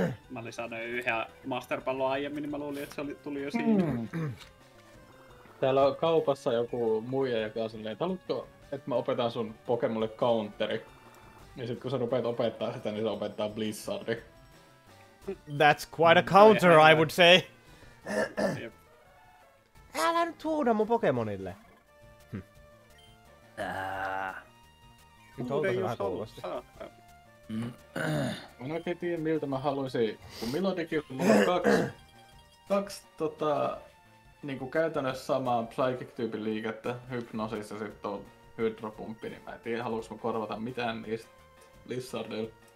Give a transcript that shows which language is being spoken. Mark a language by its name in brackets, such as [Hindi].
[Finnish] Mä olin saanut yhden masterpallon aiemmin, niin mä luulin, että se oli, tuli jo siinä. Täällä on kaupassa joku muija, joka on silleen, että haluatko, että mä opetan sun Pokemonille counteri? Ja sit kun sä rupeat opettaa sitä, niin se opettaa Blizzardi. [English] That's quite a counter, I would say. [Finnish] Älä nyt huuda mun Pokemonille. Tuolta se vähän kuulosti. Mä en oikein tiedä, miltä mä haluaisin, kun Milotikin on mulla kaksi tota, niin kuin käytännössä samaa Psychic-tyypin liikettä, Hypnosis ja sitten on Hydropumppi, niin mä en tiedä, haluaisin mä korvata mitään niistä Lizardilla.